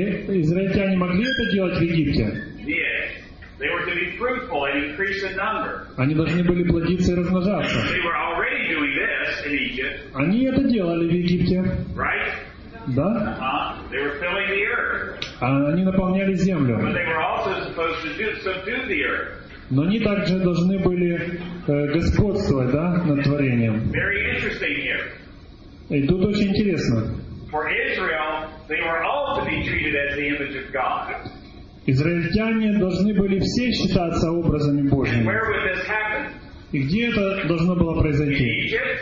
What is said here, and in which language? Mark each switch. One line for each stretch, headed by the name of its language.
Russian: Израильтяне могли это делать в Египте?
English: They were to be fruitful and increase in number.
Russian: Они должны были плодиться и размножаться.
English: They were already doing this in Egypt.
Russian: Они это делали в Египте.
English: Right?
Russian: Да.
English: They were filling the earth.
Russian: Они наполняли землю.
English: But they were also supposed to subdue the earth.
Russian: Но они также должны были господствовать, да, над творением.
English: Very interesting here.
Russian: И тут очень интересно.
English: For Israel, they were all to be treated as the image of God.
Russian: Израильтяне должны были все считаться образами Божьими. И где это должно было произойти?